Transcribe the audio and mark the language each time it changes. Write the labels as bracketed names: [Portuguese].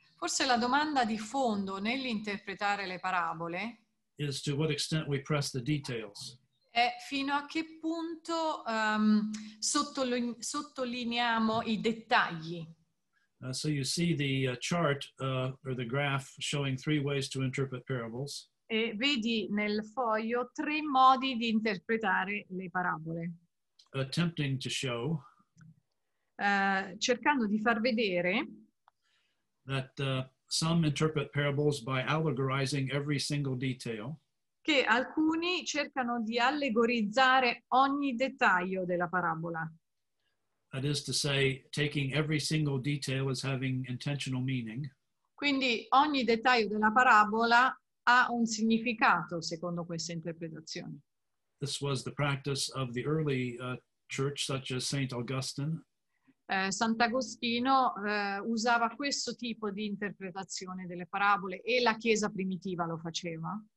[Italian] Forse la domanda di fondo nell'interpretare le parabole [English] is to what extent we press the details. [Italian] È fino a che punto sottolineiamo i dettagli. [English] So you see the chart or the graph showing three ways to interpret parables. [Italian] E vedi nel foglio tre modi di interpretare le parabole. [English] Attempting to show. [Italian] cercando di far vedere [English] that some interpret parables by allegorizing every single detail. [Italian] Che alcuni cercano di allegorizzare ogni dettaglio della parabola. [English] That is to say, taking every single detail as having intentional meaning. [Italian] Quindi ogni dettaglio della parabola ha un significato secondo questa interpretazione. [English] This was the practice of the early church, such as Saint Augustine. [Italian] Sant'Agostino usava questo tipo di interpretazione delle parabole e la Chiesa primitiva lo faceva.